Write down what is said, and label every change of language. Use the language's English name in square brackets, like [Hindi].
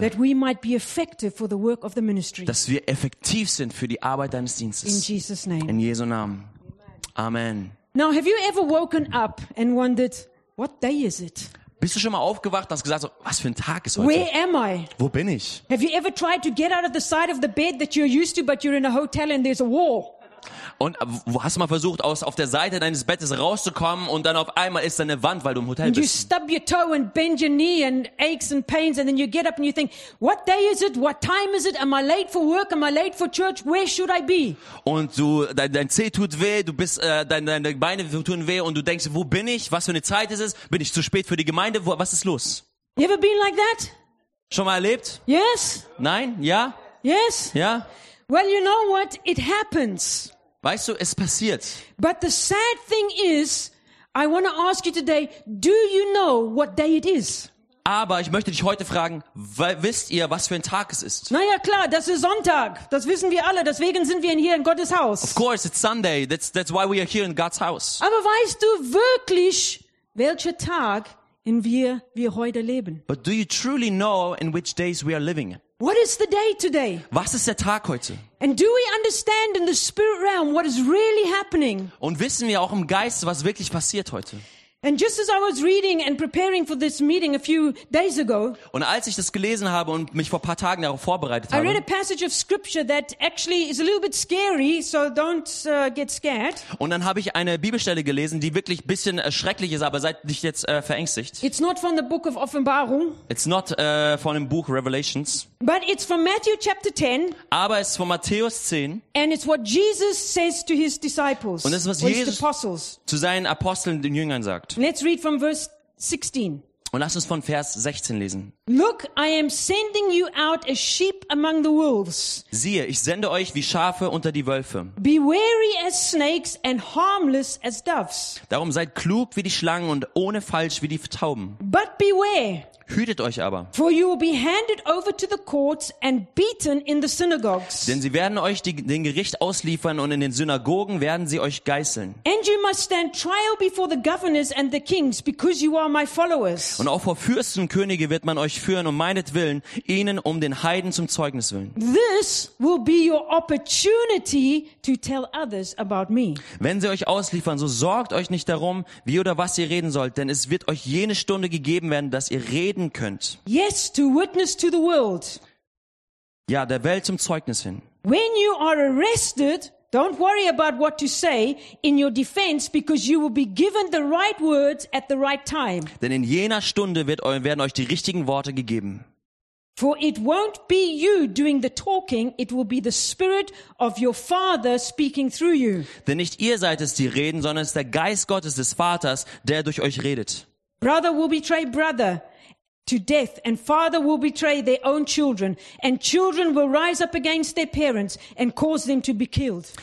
[English] That we might be effective for the work of the ministry. [German] Dass wir effektiv sind für die Arbeit deines Dienstes. [English] In Jesus' name. [German] In Jesu Namen. Amen. [English] Now, have you ever woken up and wondered, what day is it? [German] Bist du schon mal aufgewacht und hast gesagt, was für ein Tag ist heute? [English] Where am I? [German] Wo bin ich? [English] Have you ever tried to get out of the side of the bed that you're used to, but you're in a hotel and there's a wall? [German] Und hast du mal versucht, auf der Seite deines Bettes rauszukommen und dann auf einmal ist da eine Wand, weil du im Hotel bist? [English] And you stub your toe and bend your knee and aches and pains and then you get up and you think, what day is it? What time is it? Am I late for work? Am I late for church? Where should I be? [German] Und du, dein Zeh tut weh, du bist, deine Beine tun weh und du denkst, wo bin ich? Was für eine Zeit ist es? Bin ich zu spät für die Gemeinde? Was ist los? [English] You ever been like that? [German] Schon mal erlebt? [English] Yes. [German] Nein? Ja? [English] Yes. [German] Ja? [English] Well, you know what? It happens. [German] Weißt du, es passiert. [English] But the sad thing is, I want to ask you today, do you know what day it is? [German] Aber ich möchte dich heute fragen, wisst ihr, was für ein Tag es ist? Naja, klar, das ist Sonntag. Das wissen wir alle. Deswegen sind wir hier in Gottes Haus. [English] Of course, it's Sunday. That's why we are here in God's house. [German] Aber weißt du wirklich, welcher Tag in wir heute leben? [English] But do you truly know in which days we are living? What is the day today? [German] Was ist der Tag heute? [English] And do we understand in the spirit realm what is really happening? [German] Und wissen wir auch im Geist, was wirklich passiert heute? [English] And just as I was reading and preparing for this meeting a few days ago, [German] und als ich das gelesen habe und mich vor ein paar Tagen darauf vorbereitet habe, [English] I read a passage of scripture that actually is a little bit scary, so don't get scared. [German] Und dann habe ich eine Bibelstelle gelesen, die wirklich ein bisschen schrecklich ist, aber seid nicht jetzt verängstigt. [English] It's not from the book of Offenbarung. It's not from the book Revelations. But it's from Matthew chapter 10. [German] Aber es ist von Matthäus 10. [English] And it's what Jesus says to his disciples. [German] Und es ist, was Jesus zu seinen Aposteln, den Jüngern, sagt. [English] Let's read from verse 16. [German] Und lass uns von Vers 16 lesen. [English] Look, I am sending you out as sheep among the wolves. [German] Siehe, ich sende euch wie Schafe unter die Wölfe. [English] Be wary as snakes and harmless as doves. [German] Darum seid klug wie die Schlangen und ohne falsch wie die Tauben. [English] But beware. [German] Hütet euch aber. [English] For you will be handed over to the courts and beaten in the synagogues. [German] Denn sie werden euch den Gericht ausliefern und in den Synagogen werden sie euch geißeln. [English] And you must stand trial before the governors and the kings because you are my followers. [German] Und auch vor Fürsten, Könige wird man euch führen um meinetwillen, ihnen um den Heiden zum Zeugnis willen. [English] This will be your opportunity to tell others about me. [German] Wenn sie euch ausliefern, so sorgt euch nicht darum, wie oder was ihr reden sollt, denn es wird euch jene Stunde gegeben werden, dass ihr reden könnt. [English] Yes, to witness to the world. [German] Ja, der Welt zum Zeugnis hin. [English] When you are arrested, don't worry about what to say in your defense, because you will be given the right words at the right time. [German] Denn in jener Stunde werden euch die richtigen Worte gegeben. [English] For it won't be you doing the talking, it will be the Spirit of your Father speaking through you. [German] Denn nicht ihr seid es, die reden, sondern es ist der Geist Gottes des Vaters, der durch euch redet. [English] Brother will betray brother to death, and father will betray their own children, and children will rise up against their parents and cause them to be killed.